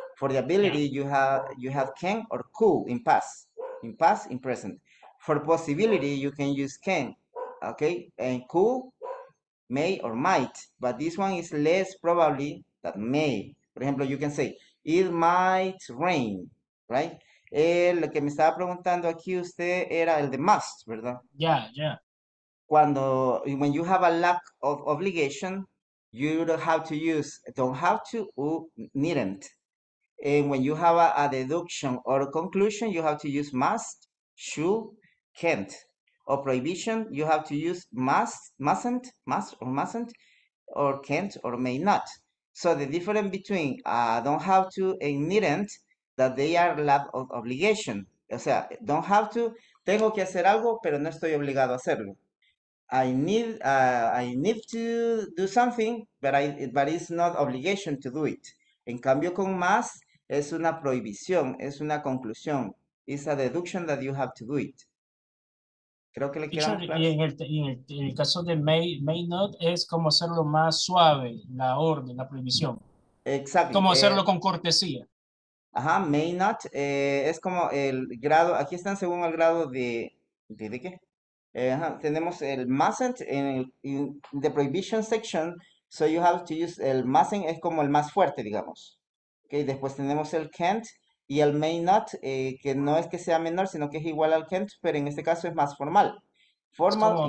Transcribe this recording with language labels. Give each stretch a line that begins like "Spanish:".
English: For the ability, you have can or cool in past. In past, in present. For possibility, you can use can, okay? And cool, may or might. But this one is less probably than may. For example, you can say, it might rain, right?
Spanish: Lo que me estaba preguntando aquí usted era el de must, ¿verdad?
English: Yeah. Cuando, when you have a lack of obligation, you don't have to use don't have to or needn't. And when you have a deduction or a conclusion, you have to use must, should, can't. Or prohibition, you have to use mustn't, or can't, or may not. So the difference between don't have to and needn't that they are lack of obligation.
Spanish: O sea, don't have to, tengo que hacer algo, pero no estoy obligado a hacerlo.
English: I need to do something, but it's not obligation to do it.
Spanish: En cambio con más, es una prohibición, es una conclusión.
English: It's a deduction that you have to do it.
Spanish: Creo que le queda claro. Y en el caso de may not, es como hacerlo más suave, la orden, la prohibición. Exacto. Como hacerlo con cortesía. Ajá, may not, es como el grado, aquí están según el grado de qué, ajá, tenemos el mustn't
English: in the prohibition section, so you have to use
Spanish: el mustn't, es como el más fuerte, digamos, okay, después tenemos el can't y el may not, que no es que sea menor, sino que es igual al can't, pero en este caso es más formal, formal